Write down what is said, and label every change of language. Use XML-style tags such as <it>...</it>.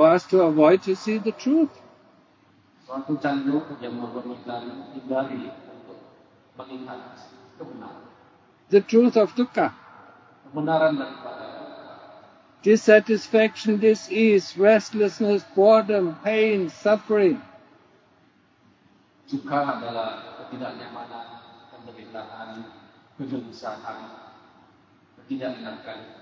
<en>to avoid to see the truth.</en> <id>Suatu candu yang memberikan dari untuk mengingat kebenaran.</id> <en>The truth of dukkha.</en> <id>Kebenaran daripada</id> <en>dissatisfaction, dis-ease, restlessness, boredom, pain, suffering.</en> <id>Dukkha adalah ketidaknyamanan, penderitaan, kegelisahan, ketidakenakan.</id>